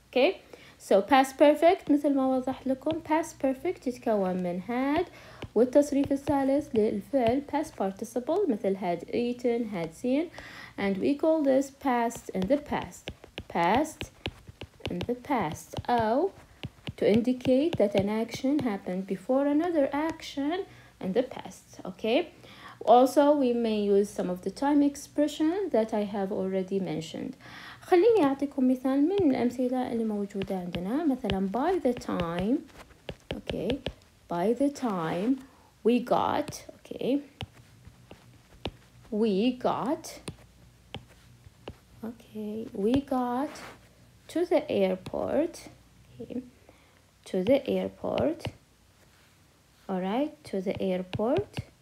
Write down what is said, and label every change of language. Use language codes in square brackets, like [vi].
[en] Okay, so past perfect, [ar] مثل ما وضحت لكم, [en] past perfect [ar] يتكون من [en] had [ar] والتصريف الثالث للفعل [en] past participle مثل had eaten, had seen, and we call this past in the past. Past in the past. Oh, to indicate that an action happened before another action in the past. Okay. Also, we may use some of the time expression that I have already mentioned. [ar] خليني أعطيكم مثال من الأمثلة اللي موجودة عندنا. مثلا [en] by the time. Okay. By the time we got. Okay. We got. Okay, we got to the airport. Okay, to the airport. All right, to the airport.